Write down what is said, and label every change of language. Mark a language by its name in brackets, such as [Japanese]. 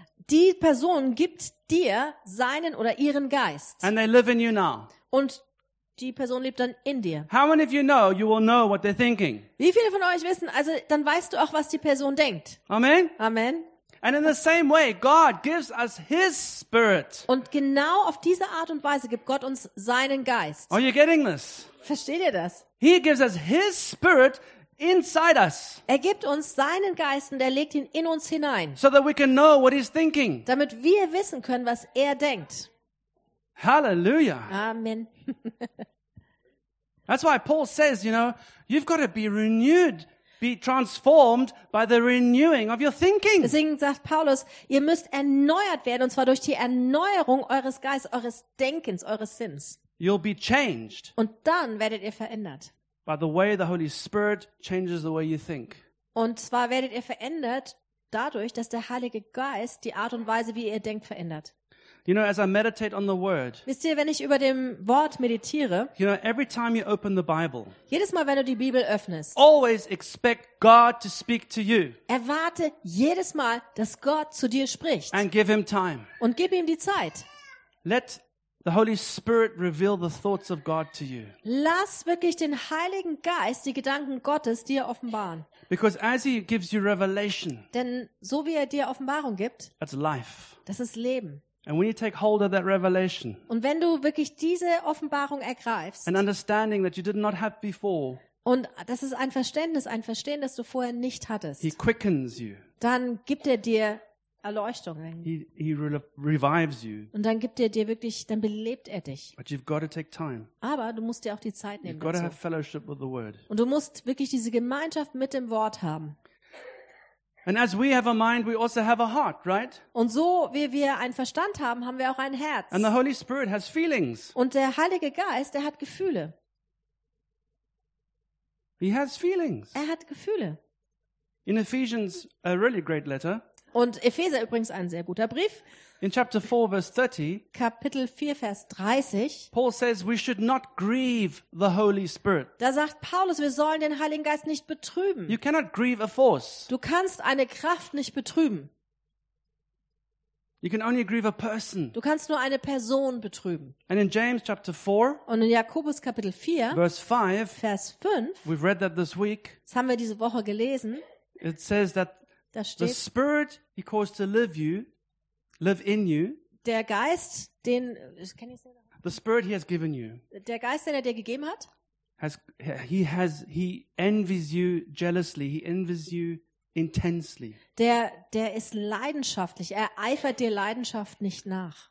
[German] Die Person gibt dir seinen oder ihren Geist. [English] And they live in you now. [German] Und die Person lebt dann in dir. [English] How many of you know, you will know what they're thinking? [German] Wie viele von euch wissen, also dann weißt du auch, was die Person denkt. Amen. Amen. [English] And in the same way, God gives us his spirit. [German] Und genau auf diese Art und Weise gibt Gott uns seinen Geist. [English] Are you getting this? [German] Versteht ihr das? [English] He gives us his spirit inside us. [German] Er gibt uns seinen Geist und er legt ihn in uns hinein. [English] So that we can know what he's thinking. [German] Damit wir wissen können, was er denkt. Hallelujah. Amen. [English] That's why Paul says, you know, you've got to be renewed, be transformed by the renewing of your thinking. [German] Deswegen sagt Paulus, ihr müsst erneuert werden, und zwar durch die Erneuerung eures Geistes, eures Denkens, eures Sinns. [English] You'll be changed. [German] Und dann werdet ihr verändert. [English] By the way the Holy Spirit changes the way you think. [German] Und zwar werdet ihr verändert dadurch, dass der Heilige Geist die Art und Weise, wie ihr denkt, verändert. [English] You know, as I meditate on the word. [German] Wisst ihr, wenn ich über dem Wort meditiere? [English] You know, every time you open the Bible. [German] Jedes Mal, wenn du die Bibel öffnest. [English] Always expect God to speak to you. [German] Erwarte jedes Mal, dass Gott zu dir spricht. [English] And give him time. [German] Und gib ihm die Zeit. [English] Let the Holy Spirit reveal the thoughts of God to you. [German] Lass wirklich den Heiligen Geist die Gedanken Gottes dir offenbaren. [English] Because as he gives you revelation. [German] Denn so wie er dir Offenbarung gibt. [English] That's life. [German] Das ist Leben. [English] And when you take hold of that revelation, [German] und wenn du wirklich diese Offenbarung ergreifst, [English] an understanding that you did not have before, [German] und das ist ein Verstehen, das du vorher nicht hattest, [English] he quickens you. [German] Dann gibt er dir Erleuchtung. [English] He revives you. [German] Und dann gibt er dir wirklich, dann belebt er dich. [English] But you've got to take time. [German] Aber du musst dir auch die Zeit nehmen. [English] You've got to have fellowship with the word. [German] Und du musst wirklich diese Gemeinschaft mit dem Wort haben. [English] And as we have a mind, we also have a heart, right? [German] Und so wie wir einen Verstand haben, haben wir auch ein Herz. [English] And the Holy Spirit has feelings. [German] Und der Heilige Geist, er hat Gefühle. [English] He has feelings. [German] Er hat Gefühle. [English] In Ephesians, a really great letter. [German] Und Epheser übrigens ein sehr guter Brief. [English] In chapter 4, verse 30. [German] Kapitel 4, Vers 30. [English] Paul says, we should not grieve the Holy Spirit. [German] Da sagt Paulus, wir sollen den Heiligen Geist nicht betrüben. [English] You cannot grieve a force. [German] Du kannst eine Kraft nicht betrüben. [English] You can only grieve a person. [German] Du kannst nur eine Person betrüben. [English] And in James chapter 4. [German] Und in Jakobus Kapitel 4. [English] Verse 5. [German] Vers 5. [English] We've read that this week. [German] Das haben wir diese Woche gelesen. [English] It says that. [German] Da steht, [English] the Spirit he caused to live you, live in you. [German] Der Geist, den, [English] can you say that? The Spirit he has given you. [German] Der Geist, den er dir gegeben hat. [English] He envies you jealously. He envies you intensely. [German] Der ist leidenschaftlich. Er eifert dir Leidenschaft nicht nach.